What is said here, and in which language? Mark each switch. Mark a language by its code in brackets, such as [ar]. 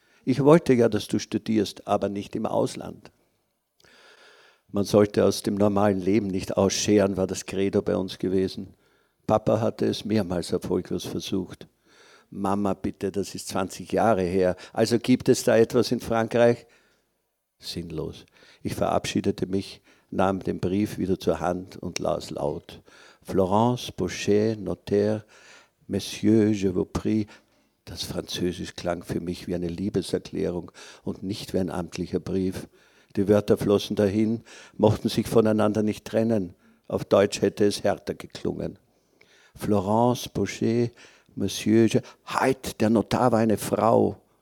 [de] Ich wollte ja, dass du studierst, aber nicht im Ausland. Man sollte aus dem normalen Leben nicht ausscheren, war das Credo bei uns gewesen. Papa hatte es mehrmals erfolglos versucht. Mama, bitte, das ist 20 Jahre her. Also gibt es da etwas in Frankreich? Sinnlos. Ich verabschiedete mich, nahm den Brief wieder zur Hand und las laut. [fr] Florence, Bouchet, Notaire, Monsieur, je vous prie. [de] Das Französisch klang für mich wie eine Liebeserklärung und nicht wie ein amtlicher Brief. Die Wörter flossen dahin, mochten sich voneinander nicht trennen. Auf Deutsch hätte es härter geklungen. Florence, Bouchet, [fr] Monsieur, je... [de] Halt, der Notar war eine Frau.